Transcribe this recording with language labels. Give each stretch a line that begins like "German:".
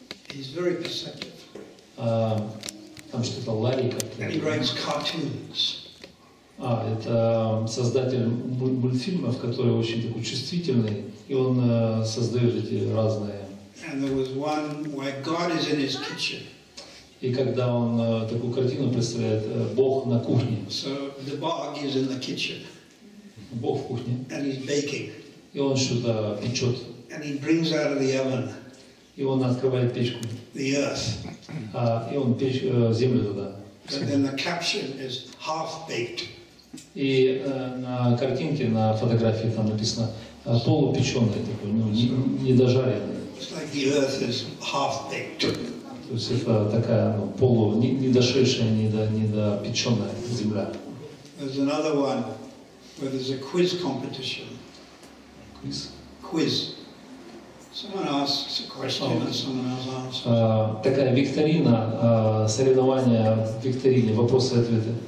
English: He's very perceptive.
Russian: Там что-то Ларри как-то.
English: And he writes cartoons.
Russian: Это создатель мультфильмов, который очень такой чувствительный, и он создает эти разные.
English: And there was one where God is in his kitchen.
Russian: И когда он такую картину представляет, Бог на кухне.
English: So the bog is in the kitchen.
Russian: Бог в кухне.
English: And he's baking.
Russian: И он что-то печет.
English: And he brings out of the oven.
Russian: И он открывает печку.
English: The earth.
Russian: И он печет землю туда.
English: And then the caption is half baked.
Russian: И на картинке, на фотографии там написано полупеченый такой, ну не дожаренный.
English: Like
Russian: то есть это такая ну, полу не дошедшая, недопеченная земля.
English: There's another one where there's a quiz competition. Quiz. Someone asks a question and someone else answers.
Russian: Такая викторина, соревнования в викторине, вопросы-ответы.